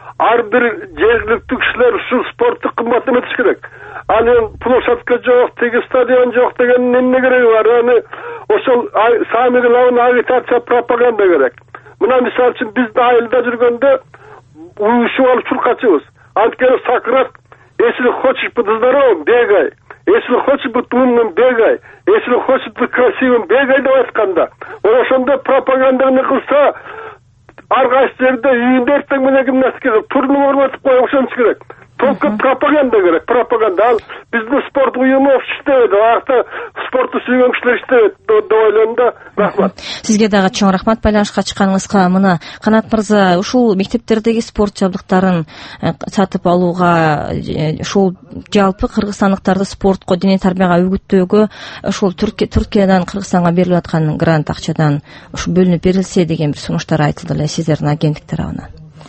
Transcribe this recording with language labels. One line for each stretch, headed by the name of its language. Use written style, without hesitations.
Kyrgyz: Ар бир жергиликтүү кишилер ушул спортту кымбат эметиш керек. Аны площадка жок, тиги стадион жок дегендин эмне кереги бар? Аны ошол самигалардын агитация, пропаганда керек. Мына мисалы үчүн биз да айылда жүргөндө уюшуп алып чуркачубуз. Анткени
Russian: Сократ если хочешь быть здоровым, бегай. Если хочешь быть умным, бегай. Если хочешь быть красивым, бегай
Kyrgyz: деп айтканда. Ошондо пропаганданы кылса ар кайсы жерде үйүндө эртең менен гимнастика кылып турнир өткөрүп коюп ошентиш керек. Только пропаганда керек, пропаганда. Ал биздин спорт уюму иштебейт, аякта спортту сүйгөн кишилер иштебейт деп ойлойм да. Рахмат сизге дагы чоң рахмат байланышка чыкканыңызга. Мына Канат мырза, ушул мектептердеги спорт жабдыктарын сатып алууга, ушул жалпы кыргызстандыктарды спортко, дене тарбияга үгүттөөгө ушул Түркиядан Кыргызстанга берилип аткан грант акчадан ушу бөлүнүп берилсе деген бир сунуштар айтылды эле сиздердин агенттик тарабынан.